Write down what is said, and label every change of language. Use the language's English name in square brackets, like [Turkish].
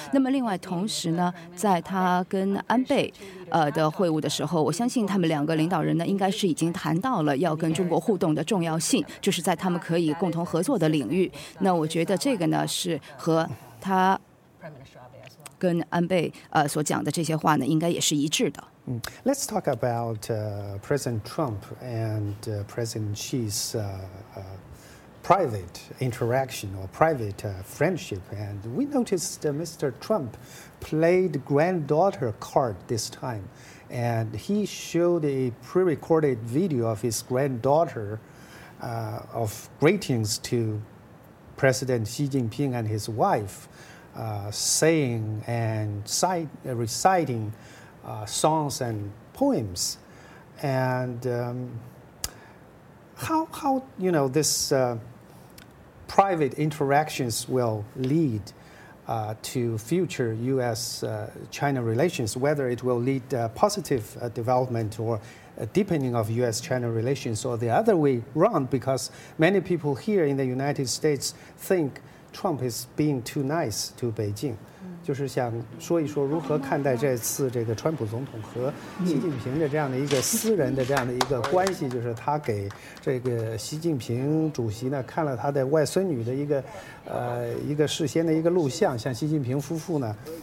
[Chinese] 那么另外同时呢，在他跟安倍的会晤的时候，我相信他们两个领导人呢，应该是已经谈到了要跟中国互动的重要性，就是在他们可以共同合作的领域。那我觉得这个呢，是和他跟安倍所讲的这些话呢，应该也是一致的。 [English] Let's talk about President Trump and President Xi's private interaction or private friendship. And we noticed Mr. Trump played granddaughter card this time. And he showed a pre-recorded video of his granddaughter of greetings to President Xi Jinping and his wife saying and reciting. Songs and poems, and How you know this private interactions will lead to future U.S.-China relations, whether it will lead positive development or deepening of U.S.-China relations or the other way around, because many people here in the United States think Trump is being too nice to Beijing. [Chinese] 就是想说一说如何看待这次这个川普总统和习近平的这样的一个私人的这样的一个关系，就是他给这个习近平主席呢看了他的外孙女的一个事先的一个录像，向习近平夫妇呢